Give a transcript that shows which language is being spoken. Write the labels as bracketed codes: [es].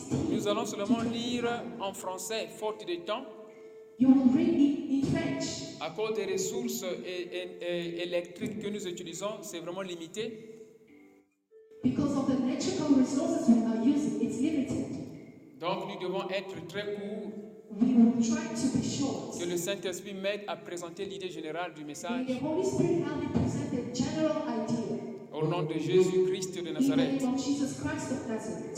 [fr] Nous allons seulement lire en français, faute de temps. [en] You will read in French. [fr] À cause des ressources et électriques que nous utilisons, c'est vraiment limité. [en] Because of the natural resources we are using, it's limited. [fr] Donc nous devons être très courts. [en] We will try to be short. [fr] Que le Saint-Esprit m'aide à présenter l'idée générale du message. [en] May the Holy Spirit help me present the general idea. [fr] Au nom de Jésus-Christ de Nazareth. [en] In the name of Jesus Christ of Nazareth.